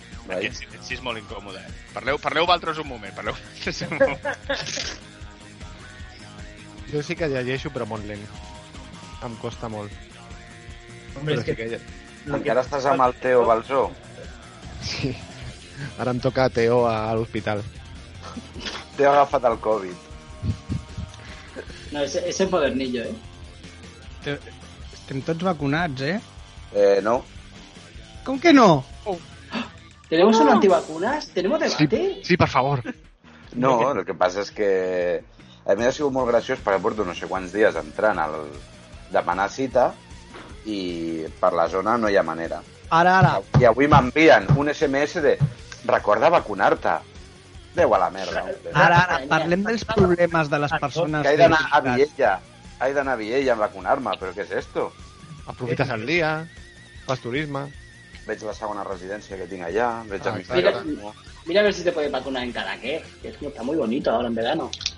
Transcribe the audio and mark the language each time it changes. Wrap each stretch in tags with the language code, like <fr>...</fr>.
<ca>Aquí el silenci és molt incòmode. Parleu vosaltres un moment. Parleu un moment. Jo sí que llegeixo, però molt lent. Em costa molt. Home, però és sí que... Encara estàs amb el Teo Balsó? Sí. Ara em toca a Teo a l'hospital. Teo ha agafat el Covid. No, és el modernillo, Teo... Estem tots vacunats, eh? No. Com que no?</ca> <es>¿Tenemos un antivacunas? ¿Tenemos debate?</es> <ca>Sí, per favor. No, el que passa és que... A mi ha sigut molt graciós perquè porto no sé quants dies entrant al demanar cita i per la zona no hi ha manera. Ara. I avui m'envien un SMS de recorda vacunar-te. Déu a la merda. Ara, parlem dels problemes de les persones... Que he d'anar a Viella. Haig d'anar a Viella a vacunar-me, però què és esto? Aprofites el dia, fas turisme... Veig la segona residència que tinc allà... Veig</ca> <es>a mi mira a ver si te puedes vacunar en Cadaqués, que es que está muy bonito ahora en verano.</es>